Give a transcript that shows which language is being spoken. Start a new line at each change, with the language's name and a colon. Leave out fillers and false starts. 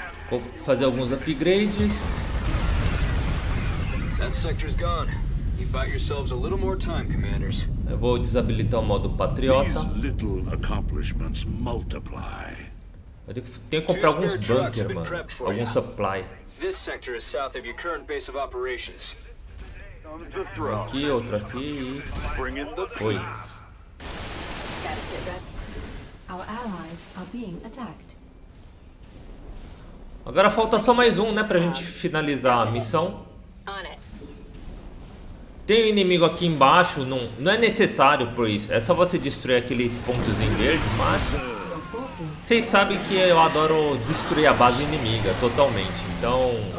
Portuguese: Vou fazer alguns upgrades.
English: That sector's gone. You bought yourselves a little more time, commanders.
Portuguese: Eu vou desabilitar o modo patriota.
English: These little accomplishments multiply.
Portuguese: Tenho que comprar alguns bunker, mano. Algum supply.
English: This sector is south of your current base of operations.
Portuguese: Aqui, outro aqui.
English: Bring in the
Portuguese: foi.
English: Our allies are being attacked.
Portuguese: Agora falta só mais um, né, pra gente finalizar a missão. Tem um inimigo aqui embaixo, não é necessário, pois é só você destruir aqueles pontos em verde, mas... Vocês sabem que eu adoro destruir a base inimiga totalmente, então...